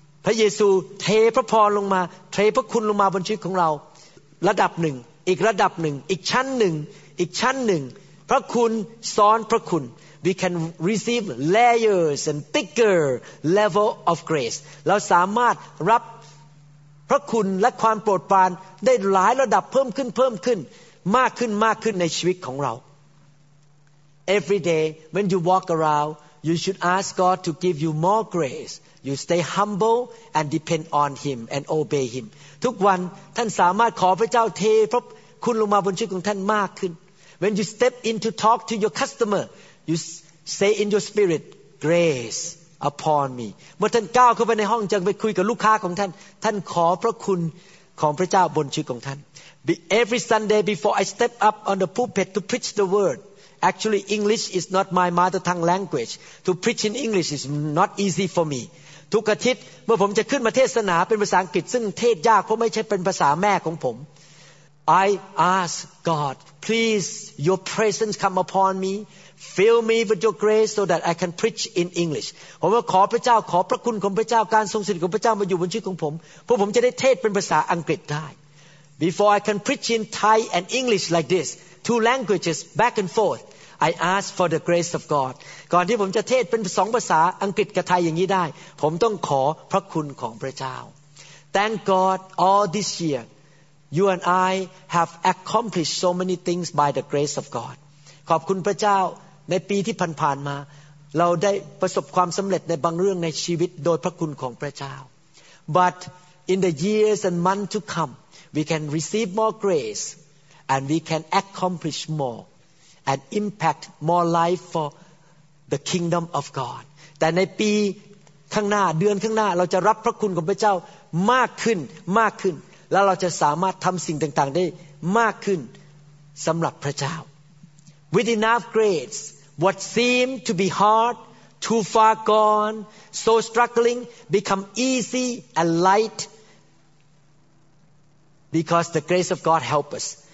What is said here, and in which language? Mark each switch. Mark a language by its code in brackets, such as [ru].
[th] พระเยซูเทพระพรลงมาเทพระคุณลงมาบนชีวิตของเราระดับหนึ่งอีกระดับหนึ่งอีกชั้นหนึ่งอีกชั้นหนึ่งพระคุณซ้อนพระคุณ [en] we can receive layers and thicker level of grace [th] เราสามารถรับ พระคุณและความโปรดปรานได้หลายระดับเพิ่มขึ้นมากขึ้นในชีวิตของเรา [en] every day when you walk around you should ask God to give you more grace. You stay humble and depend on Him and obey Him. [th] ทุกวันท่านสามารถขอพระเจ้าเทพระคุณลงมาบนชีวิตของท่านมากขึ้น [en] When you step in to talk to your customer, you say in your spirit, grace upon me. [th] เมื่อท่านก้าวเข้าไปในห้องจะไปคุยกับลูกค้าของท่านท่านขอพระคุณของพระเจ้าบนชีวิตของท่าน [en] Every Sunday before I step up on the pulpit to preach the wordActually, English is not my mother tongue language. To preach in English is not easy for me. [th] ทุกอาทิตย์เมื่อผมจะขึ้นมาเทศนาเป็นภาษาอังกฤษซึ่งเทศยากเพราะไม่ใช่เป็นภาษาแม่ของผม [en] I ask God, please, your presence come upon me. Fill me with your grace so that I can preach in English. [th] ผมขอพระเจ้าขอพระคุณของพระเจ้าการทรงสถิตของพระเจ้ามาอยู่บนชีวิตของผมเพื่อผมจะได้เทศเป็นภาษาอังกฤษได้ [en] Before I can preach in Thai and English like this,Two languages back and forth. I ask for the grace of God. [th] ก่อนที่ผมจะเทศเป็นสองภาษาอังกฤษกับไทยอย่างนี้ได้ผมต้องขอพระคุณของพระเจ้า [en] Thank God all this year, you and I have accomplished so many things by the grace of God. [th] ขอบคุณพระเจ้าในปีที่ผ่านๆมาเราได้ประสบความสำเร็จในบางเรื่องในชีวิตโดยพระคุณของพระเจ้า [en] But in the years and months to come, we can receive more grace. And we can accomplish more and impact more life for the kingdom of God. [th] แต่ในปีข้างหน้าเดือนข้างหน้าเราจะรับพระคุณของพระเจ้ามากขึ้นมากขึ้นแล้วเราจะสามารถทำสิ่งต่างๆได้มากขึ้นสำหรับพระเจ้า [en] With enough grace, what seemed to be hard, too far gone, so struggling, become easy and light because the grace of God help us.